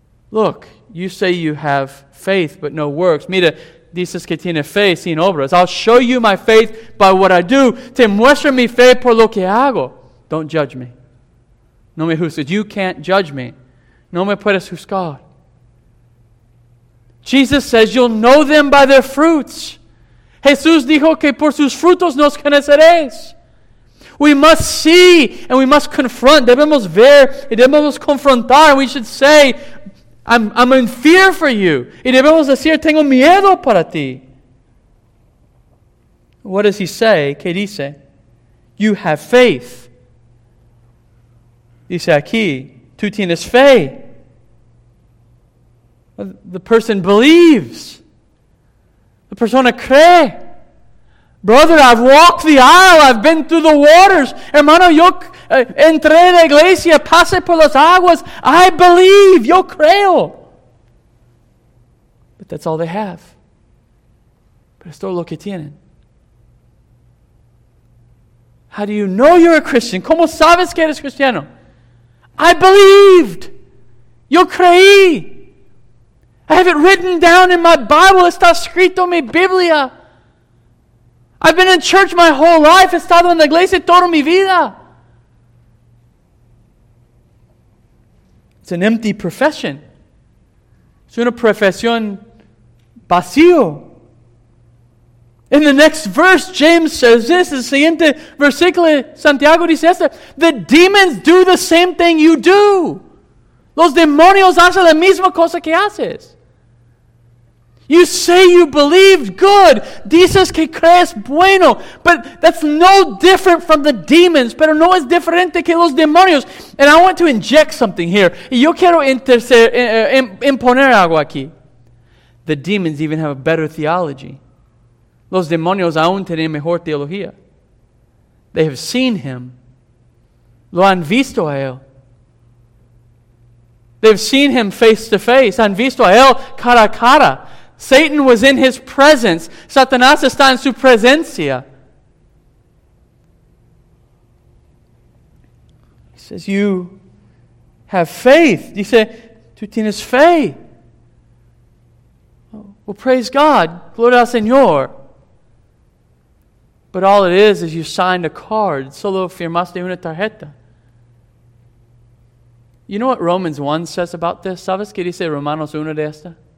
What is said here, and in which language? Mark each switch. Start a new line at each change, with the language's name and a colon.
English: Look, you say you have faith but no works.
Spanish: Mira, dices que tiene fe sin obras.
English: I'll show you my faith by what I do.
Spanish: Te muestro mi fe por lo que hago.
English: Don't judge me.
Spanish: No me juzgues.
English: You can't judge me.
Spanish: No me puedes juzgar.
English: Jesus says you'll know them by their fruits.
Spanish: Jesús dijo que por sus frutos nos conoceréis.
English: We must see and we must confront.
Spanish: Debemos ver y debemos confrontar.
English: We should say, I'm in fear for you.
Spanish: Y debemos decir, tengo miedo para ti.
English: What does he say?
Spanish: ¿Qué dice?
English: You have faith.
Spanish: Dice aquí, tú tienes fe.
English: The person believes. The
Spanish: persona cree.
English: Brother, I've walked the aisle. I've been through the waters.
Spanish: Hermano, yo entré en la iglesia, pasé por las aguas.
English: I believe.
Spanish: Yo creo.
English: But that's all they have.
Spanish: Pero es todo lo que tienen.
English: How do you know you're a Christian?
Spanish: ¿Cómo sabes que eres cristiano?
English: I believed.
Spanish: Yo creí.
English: I have it written down in my Bible.
Spanish: Está escrito en mi Biblia.
English: I've been in church my whole life.
Spanish: He estado en la iglesia toda mi vida.
English: It's an empty profession.
Spanish: Es una profesión vacío.
English: In the next verse, James says this.
Spanish: El siguiente versículo, Santiago dice esto.
English: The demons do the same thing you do.
Spanish: Los demonios hacen la misma cosa que haces.
English: You say you believed, good.
Spanish: Dices que crees, bueno.
English: But that's no different from the demons.
Spanish: Pero no es diferente que los demonios.
English: And I want to inject something here.
Spanish: Yo quiero imponer algo aquí.
English: The demons even have a better theology.
Spanish: Los demonios aún tienen mejor teología.
English: They have seen him.
Spanish: Lo han visto a él.
English: They've seen him face to face.
Spanish: Han visto a él cara a cara.
English: Satan was in his presence.
Spanish: Satanás está en su presencia.
English: He says, you have faith.
Spanish: Dice, tú tienes fe.
English: Well, praise God.
Spanish: Gloria al Señor.
English: But all it is you signed a card.
Spanish: Solo firmaste una tarjeta.
English: You know what Romans 1 says about this?
Spanish: ¿Sabes qué dice Romanos 1 de esta?